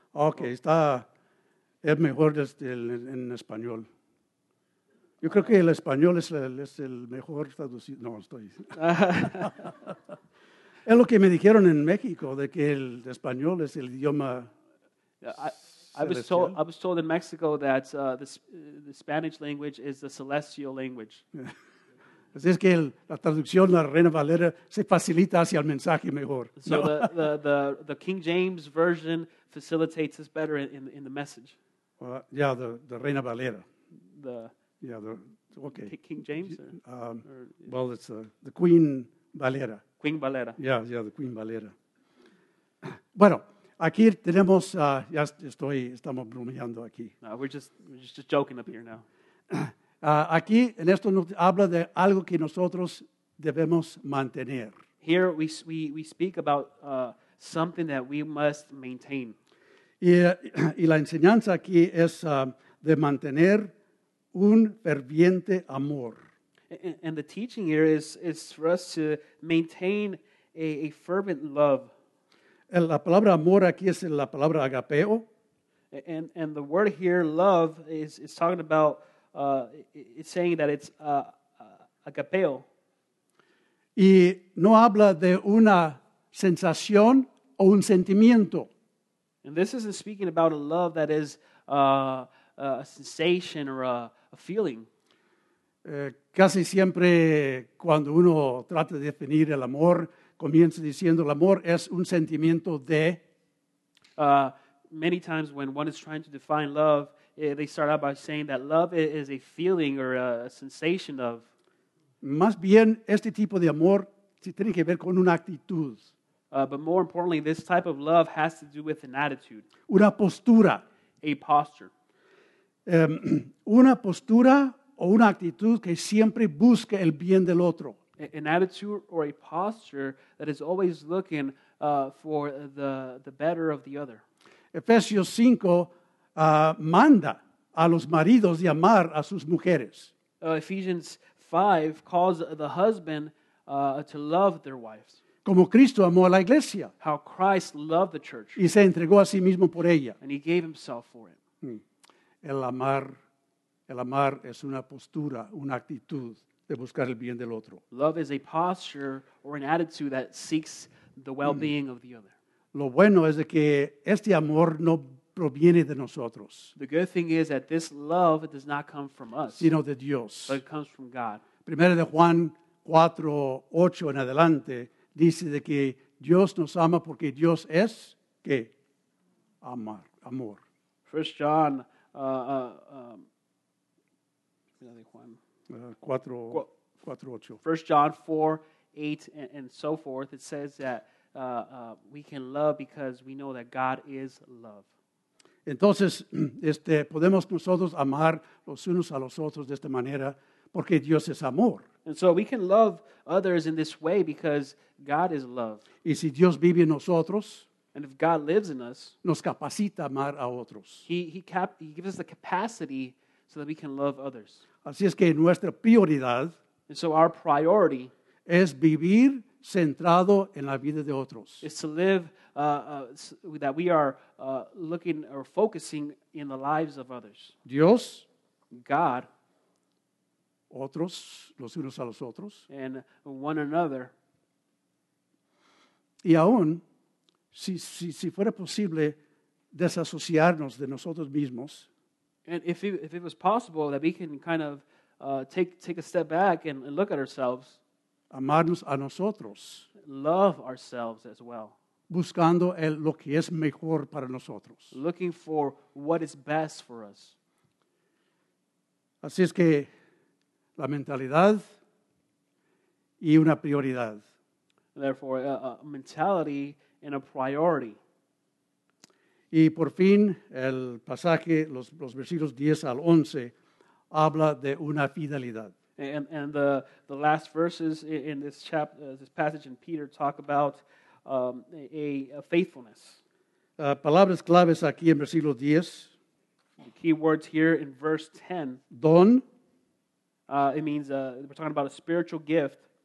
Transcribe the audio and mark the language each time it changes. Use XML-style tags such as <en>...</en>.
<es>Okay, está es mejor desde el, en español. Yo creo que el español es el mejor traducido. No, estoy. Es lo que me dijeron en México, de que el español es el idioma.</es> <en>I was told in Mexico that the Spanish language is the celestial language.</en> <es>Así es que la traducción, la Reina Valera, se facilita hacia el mensaje mejor.</es> <en>So the King James version facilitates us better in the message. The Reina Valera. King James? It's the Queen Valera. Queen Valera. Yeah, the Queen Valera.</en> <es>Bueno. Aquí tenemos, ya estoy, estamos bromeando aquí.</es> <en>No, we're just joking up here now.</en> <es>Aquí, en esto nos habla de algo que nosotros debemos mantener.</es> <en>Here we speak about something that we must maintain.</en> <es>Y la enseñanza aquí es de mantener un ferviente amor.</es> <en>And the teaching here is for us to maintain a fervent love.</en> <es>La palabra amor aquí es la palabra agapeo.</es> <en>And the word here, love, is talking about, it's saying that it's agapeo.</en> <es>Y no habla de una sensación o un sentimiento.</es> <en>And this isn't speaking about a love that is a sensation or a feeling.</en> <es>Casi siempre cuando uno trata de definir el amor, comienza diciendo, el amor es un sentimiento de.</es> <en>Many times when one is trying to define love, they start out by saying that love is a feeling or a sensation of.</en> <es>Más bien, este tipo de amor tiene que ver con una actitud.</es> <en>But more importantly, this type of love has to do with an attitude.</en> <es>Una postura.</es> <en>A posture.</en> <es>Una postura o una actitud que siempre busca el bien del otro.</es> <en>An attitude or a posture that is always looking for the better of the other.</en> <es>Efesios 5 manda a los maridos de amar a sus mujeres.</es> <en>Ephesians 5 calls the husband to love their wives.</en> <es>Como Cristo amó a la iglesia.</es> <en>How Christ loved the church.</en> <es>Y se entregó a sí mismo por ella.</es> <en>And he gave himself for it.</en> <es>El amar es una postura, una actitud. De buscar el bien del otro.</es> <en>Love is a posture or an attitude that seeks the well-being of the other.</en> <es>Lo bueno es de que este amor no proviene de nosotros.</es> <en>The good thing is that this love does not come from us.</en> <es>Sino de Dios.</es> <en>But it comes from God.</en> <es>Primero de Juan 4, 8 en adelante, dice de que Dios nos ama porque Dios es, ¿qué? Amar, amor.</es> <en>First John, 4:8. 1 John 4:8 and so forth. It says that we can love because we know that God is love.</en> <es>Entonces, podemos nosotros amar los unos a los otros de esta manera porque Dios es amor.</es> <en>And so we can love others in this way because God is love.</en> <es>Y si Dios vive en nosotros,</es> <en>and if God lives in us,</en> <es>nos capacita amar a otros.</es> <en>He gives us the capacity so that we can love others.</en> <es>Así es que nuestra prioridad,</es> <en>and so our priority,</en> <es>es vivir centrado en la vida de otros.</es> <en>Is to live that we are looking or focusing in the lives of others.</en> <es>Dios,</es> <en>God,</en> <es>otros, los unos a los otros,</es> <en>and one another.</en> <es>Y aún, si fuera posible desasociarnos de nosotros mismos.</es> <en>And if it was possible that we can kind of take a step back and look at ourselves.</en> <es>Amarnos a nosotros.</es> <en>Love ourselves as well.</en> <es>Buscando lo que es mejor para nosotros.</es> <en>Looking for what is best for us.</en> <es>Así es que la mentalidad y una prioridad.</es> <en>Therefore, a mentality and a priority.</en> <es>Y por fin, el pasaje, los versículos 10 al 11, habla de una fidelidad.</es> <en>And the last verses in this chapter, this passage in Peter, talk about a faithfulness.</en> <es>Palabras claves aquí en versículo 10.</es> <en>The key words here in verse 10.</en> <es>Don.</es> <en>It means we're talking about a spiritual gift.</en>